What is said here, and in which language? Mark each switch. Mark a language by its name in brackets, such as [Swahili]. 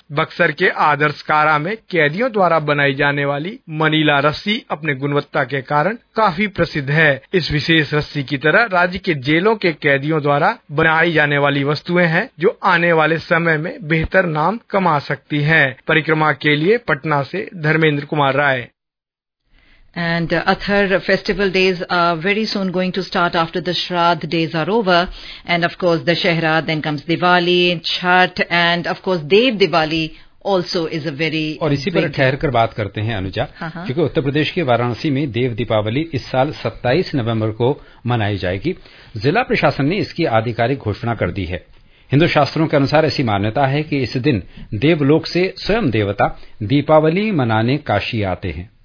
[Hindi] बक्सर के आदर्श कारा में कैदियों द्वारा बनाई जाने वाली मनीला रस्सी अपने गुणवत्ता के कारण काफी प्रसिद्ध है। इस विशेष रस्सी की तरह राज्य के जेलों के कैदियों द्वारा बनाई जाने वाली वस्तुएं हैं, जो आने वाले समय में बेहतर नाम कमा सकती हैं। परिक्रमा के लिए पटना से Dharmendra Kumar Rai. [English] And Athar festival days are very soon going to start after the Shraddh days are over. And of course, the Dashehra, then comes Diwali, Chhath, and of course, Dev Diwali also is a very big... [Hindi] और इसी पर ठहर कर बात करते हैं अनुजा, क्योंकि उत्तर प्रदेश के वाराणसी में देव दीपावली इस साल 27 नवंबर को मनाई जाएगी। जिला प्रशासन ने इसकी आधिकारिक घोषणा कर दी है। हिंदू शास्त्रों के अनुसार ऐसी मान्यता है कि इस दिन देवलोक से स्वयं देवता दीपावली मनाने काशी आते हैं।